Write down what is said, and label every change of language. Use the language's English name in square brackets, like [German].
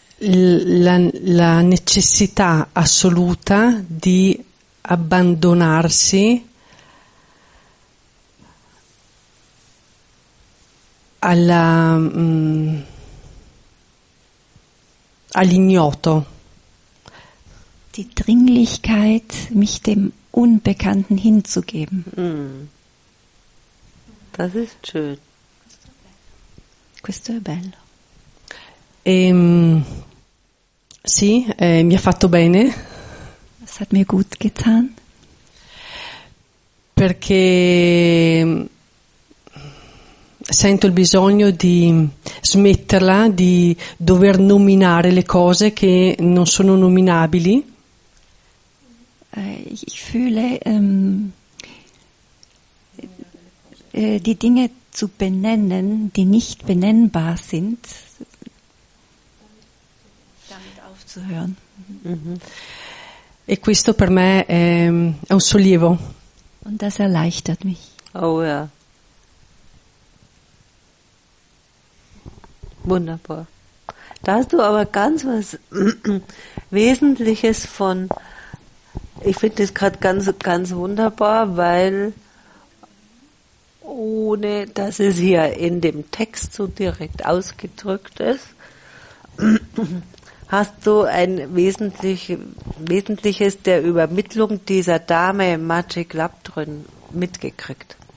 [Italian] La necessità assoluta di abbandonarsi alla all'ignoto. [German] Die Dringlichkeit, mich dem Unbekannten hinzugeben. Mm. Das ist schön. [Italian] Questo è bello. Sì, mi ha fatto bene. [German] Das hat mir gut getan. [Italian] Perché sento il bisogno di smetterla di dover nominare le cose che non sono nominabili. [German] Ich fühle die Dinge zu benennen, die nicht benennbar sind, damit aufzuhören. Mm-hmm. [Italian] E questo per me è un sollievo. [German] Und das erleichtert mich. Oh ja. Wunderbar. Da hast du aber ganz was Wesentliches von. Ich finde das gerade ganz, ganz wunderbar, weil ohne dass es hier in dem Text so direkt ausgedrückt ist, hast du ein Wesentliches der Übermittlung dieser Dame Magic Labdrin mitgekriegt.